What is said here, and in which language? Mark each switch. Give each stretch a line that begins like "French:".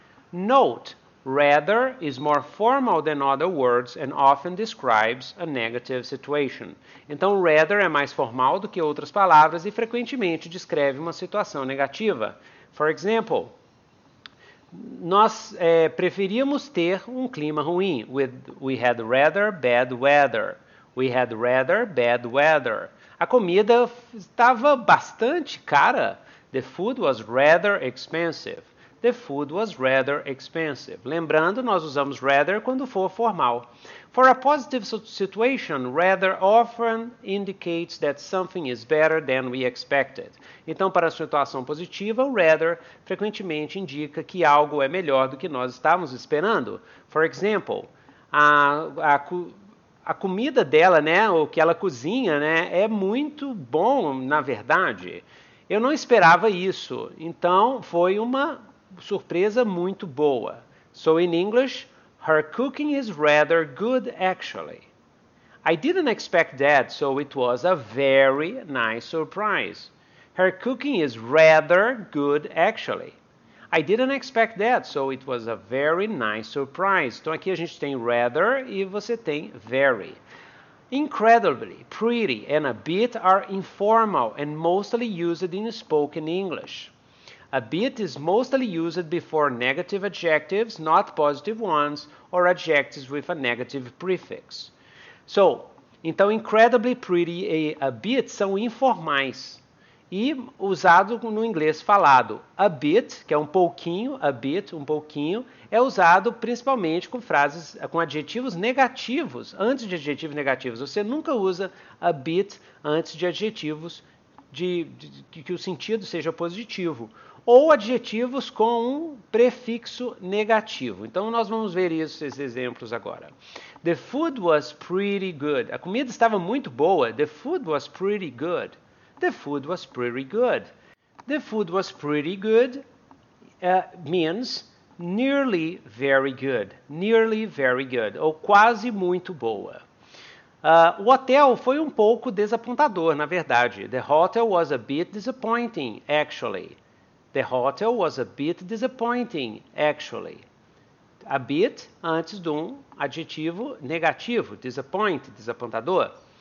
English: Note, rather is more formal than other words and often describes a negative situation.
Portuguese: Então, rather é mais formal do que outras palavras e frequentemente descreve uma situação negativa.
English: For example,
Portuguese: nós preferíamos ter um clima ruim.
English: We had rather bad weather. We had rather bad weather.
Portuguese: A comida estava bastante cara.
English: The food was rather expensive. The food was rather expensive.
Portuguese: Lembrando, nós usamos rather quando for formal.
English: For a positive situation, rather often indicates that something is better than we expected.
Portuguese: Então, para a situação positiva, o rather frequentemente indica que algo é melhor do que nós estávamos esperando.
English: For example,
Portuguese: a comida dela, né, o que ela cozinha, né, é muito bom, na verdade. Eu não esperava isso. Então, foi uma surpresa muito boa.
English: So, in English, her cooking is rather good, actually. I didn't expect that, so it was a very nice surprise. Her cooking is rather good, actually. I didn't expect that, so it was a very nice surprise.
Portuguese: Então, aqui a gente tem rather e você tem very.
English: Incredibly, pretty and a bit are informal and mostly used in spoken English. A bit is mostly used before negative adjectives, not positive ones, or adjectives with a negative prefix.
Portuguese: So, então, incredibly, pretty e a bit são informais e usado no inglês falado. A bit, que é um pouquinho, a bit, um pouquinho, é usado principalmente com frases, com adjetivos negativos, antes de adjetivos negativos. Você nunca usa a bit antes de adjetivos de que o sentido seja positivo. Ou adjetivos com um prefixo negativo. Então, nós vamos ver esses exemplos agora.
English: The food was pretty good.
Portuguese: A comida estava muito boa.
English: The food was pretty good. The food was pretty good. The food was pretty good means nearly very good. Nearly very good.
Portuguese: Ou quase muito boa. O hotel foi um pouco desapontador, na verdade.
English: The hotel was a bit disappointing, actually. The hotel was a bit disappointing, actually.
Portuguese: A bit antes de um adjetivo negativo, disappoint, desapontador.